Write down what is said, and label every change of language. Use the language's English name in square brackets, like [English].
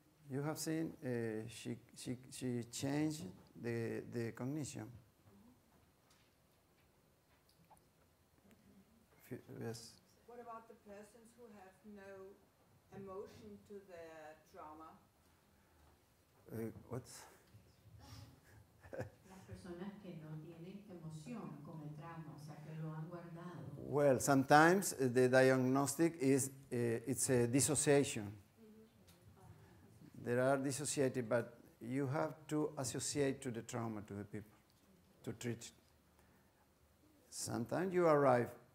[English] You have seen she changed the cognition. Yes. What about the persons who have no emotion to their trauma? What's [Spanish] personas que no tienen emoción con el trauma, o [English] Well, sometimes the diagnostic is it's a dissociation. There are dissociated, but you have to associate to the trauma to the people to treat it. Sometimes you arrive.